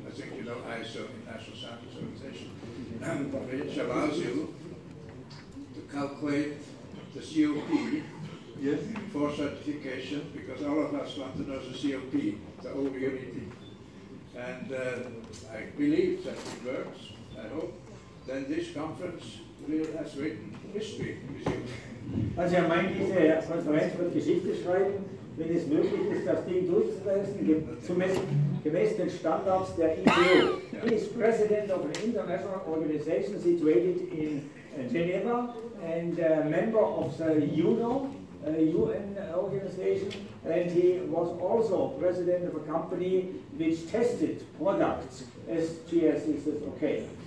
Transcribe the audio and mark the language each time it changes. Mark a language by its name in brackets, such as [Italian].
[English] I think you know ISO, International Standards Organization, which allows you to calculate the COP for certification, because all of us want to know the COP, the old unity. And I believe that it works, I hope. Then this conference will have written history with you. [German] Also er meint, diese Konferenz wird Geschichte schreiben, wenn es möglich ist, das Ding durchzusetzen, gemäß den Standards der ICAO. [English] He is president of an international organization situated in Geneva and a member of the UNO, UN organization, and he was also president of a company which tested products, SGS is it okay.